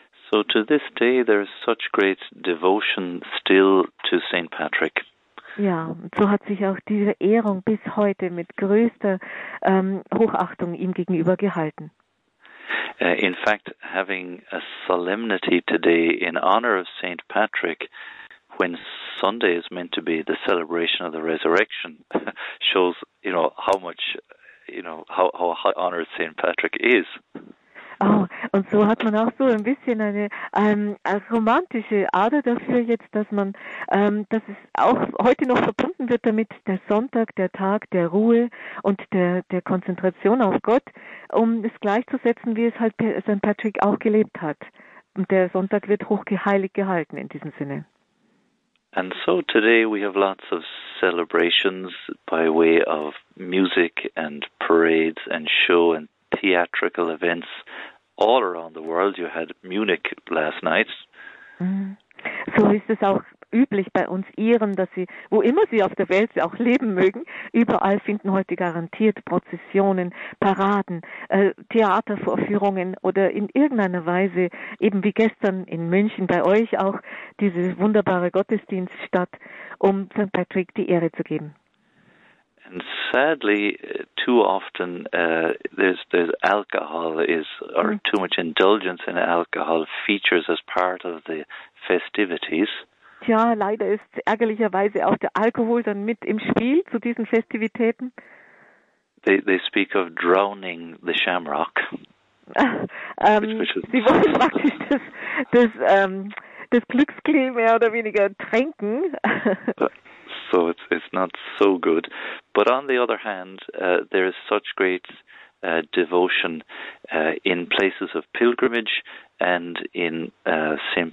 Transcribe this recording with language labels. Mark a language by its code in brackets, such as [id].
[en] So to this day there is such great devotion still to St. Patrick. [de] Ja, so hat sich auch diese Ehrung bis heute mit größter Hochachtung ihm gegenüber gehalten. [en] In fact, having a solemnity today in honor of St. Patrick, when Sunday is meant to be the celebration of the resurrection, shows, how much how honored St. Patrick is. [de] Oh, und so hat man auch so ein bisschen eine romantische Ader dafür jetzt, dass man, dass es auch heute noch verbunden wird damit, der Sonntag, der Tag der Ruhe und der Konzentration auf Gott, um es gleichzusetzen, wie es halt St. Patrick auch gelebt hat. Und der Sonntag wird hochgeheiligt gehalten in diesem Sinne. [en] And so today we have lots of celebrations by way of music and parades and show and theatrical events all around the world. You had Munich last night. [de] So ist es auch üblich bei uns Iren, dass sie, wo immer sie auf der Welt auch leben mögen, überall finden heute garantiert Prozessionen, Paraden, Theatervorführungen oder in irgendeiner Weise, eben wie gestern in München bei euch auch, dieses wunderbare Gottesdienst statt, um St. Patrick die Ehre zu geben. [en] And sadly, too often there's alcohol is or too much indulgence in alcohol features as part of the festivities. [de] Tja, leider ist ärgerlicherweise auch der Alkohol dann mit im Spiel zu diesen Festivitäten. [en] They speak of drowning the shamrock. [de] Sie wollen praktisch das Glücksklee mehr oder weniger tränken. [en] So it's not so good. But on the other hand, there is such great devotion in places of pilgrimage and in St.